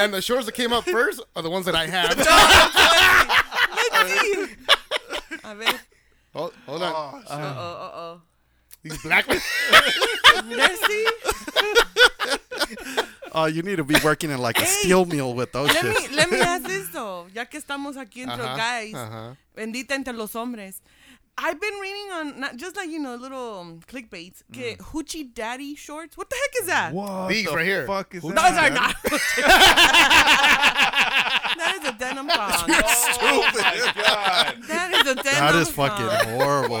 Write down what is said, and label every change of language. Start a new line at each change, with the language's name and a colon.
English: And the shorts that came up first are the ones that I have. No, I'm kidding. Let's see. Hold on. These black. Messy. Oh, you need to be working in like a steel mill with those shits. Let me ask this though.
Spanish: Ya que estamos aquí entre guys, bendita entre los hombres.
English: I've been reading on, not just like, you know, little clickbaits, Hoochie Daddy shorts. What the heck is that? What the fuck is that? Those are not. That is a denim thong. You're stupid. Oh my God. That is a denim thong. That is fucking horrible, bro.